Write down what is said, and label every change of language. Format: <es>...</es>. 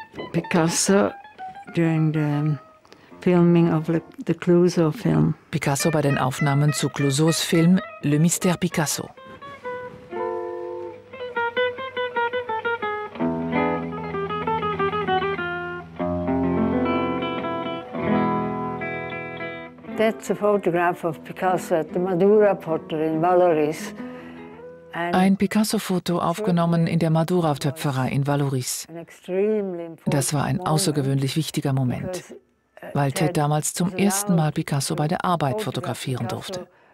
<en>Picasso during the filming of the Clouseau film.</en> <de>Picasso bei den Aufnahmen zu Clouseaus Film Le Mystère Picasso.</de> <en>That's a photograph of Picasso at the Madura Potter in Valoris.</en> <de>Ein Picasso-Foto aufgenommen in der Madura-Töpferei in Valoris. Das war ein außergewöhnlich wichtiger Moment, weil Ted damals zum ersten Mal Picasso bei der Arbeit fotografieren durfte.</de>